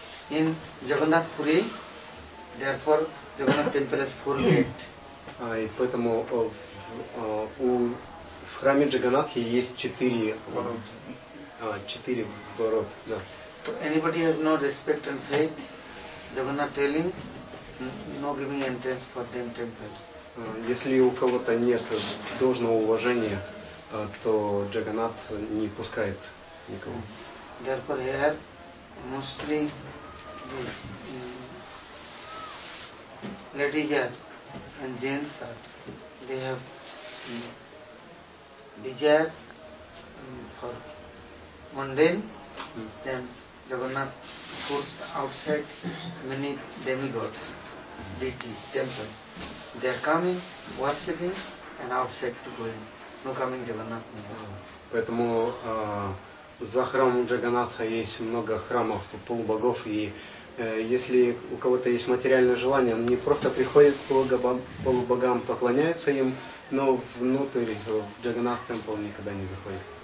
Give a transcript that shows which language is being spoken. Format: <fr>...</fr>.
<en>In Jagannath Puri, therefore Jagannath temple is full gate.</en> <ru>И поэтому в храме Джаганнатхи есть четыре ворот. Да.</ru> <en>So anybody has no respect and faith, Jagannath telling, no giving entrance for them temple.</en> <ru>Если у кого-то нет должного уважения, то Джаганнат не пускает никого.</ru> <en>Therefore here mostly this ladies are and gents are they have desire for mundane, then Jagannath puts outside many demigods, deities, temple. They are coming, worshipping, and outside to go in. No coming Jagannath.</en> <ru>Поэтому за храмом Джаганнатха есть много храмов полубогов, и если у кого-то есть материальное желание, он не просто приходит к полубогам, поклоняется им, но внутрь Джаганнат темпл никогда не заходит.</ru>